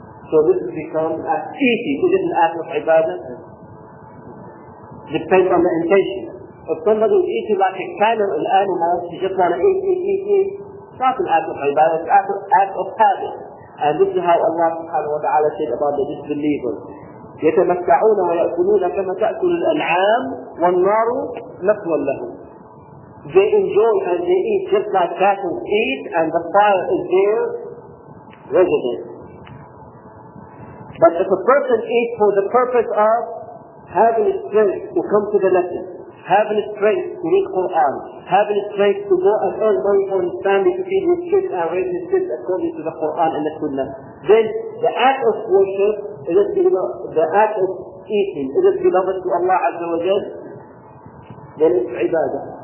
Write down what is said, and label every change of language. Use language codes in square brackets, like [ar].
[en] So this has become as easy. It is an act of ibadah. Depends on the intention. If somebody is eating like a camel or animal, you just want to eat, it's not an act of ibadah, it's an act of habit. And this is how Allah subhanahu wa ta'ala said about the disbelievers. [ar] يتمتعون ويأكلون كما تأكل الأنعام والنار مثوى لهم. [en] They enjoy and they eat just like cattle eat and the fire is their residence. But if a person eats for the purpose of having strength to come to the lesson, having strength to read Quran, having strength to go and earn money for his family to feed his kids and raise his kids according to the Quran and the Sunnah, then the act of worship, is it the act of eating, is it beloved to Allah Azza wa Jal? Then it's ibadah.